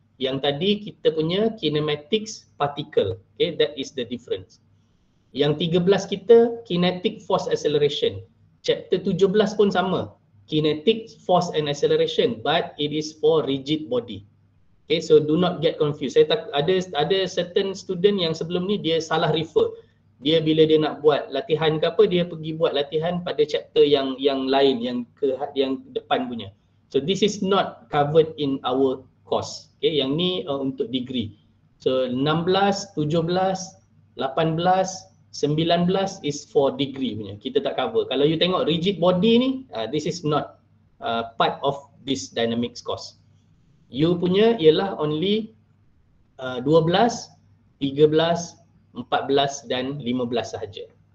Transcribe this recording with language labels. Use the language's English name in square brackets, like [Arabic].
[Malay] Yang tadi kita punya kinematics particle. [English] Okay, that is the difference. [Malay] Yang 13 kita [English] kinetic force acceleration. [Malay] Chapter 17 pun sama. [English] Kinetic force and acceleration but it is for rigid body. Okay, so do not get confused. [Malay] Saya tak, ada [English] certain student [Malay] yang sebelum ni dia salah refer. Dia bila dia nak buat latihan ke apa, dia pergi buat latihan pada chapter yang lain, yang depan punya. [English] So this is not covered in our course. Okay, [Malay] yang ni untuk [English] degree. So 16, 17, 18, 19 is for degree punya. [Malay] Kita tak [English] cover. [Malay] Kalau you tengok rigid body ni, [English] this is not part of this dynamics course. [Malay] You punya ialah only 12, 13, 14 dan 15 sahaja.